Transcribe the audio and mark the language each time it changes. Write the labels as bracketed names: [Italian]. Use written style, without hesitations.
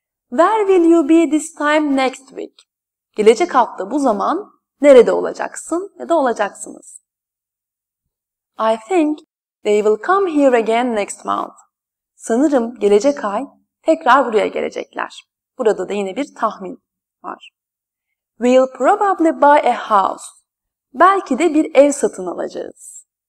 [English] Where will you be this time next week? [Turkish] Gelecek hafta bu zaman nerede olacaksın ya da olacaksınız? [English] I think they will come here again next month. [Turkish] Sanırım gelecek ay tekrar buraya gelecekler. Burada da yine bir tahmin var. [English] We'll probably buy a house. [Turkish] Belki de bir ev satın alacağız.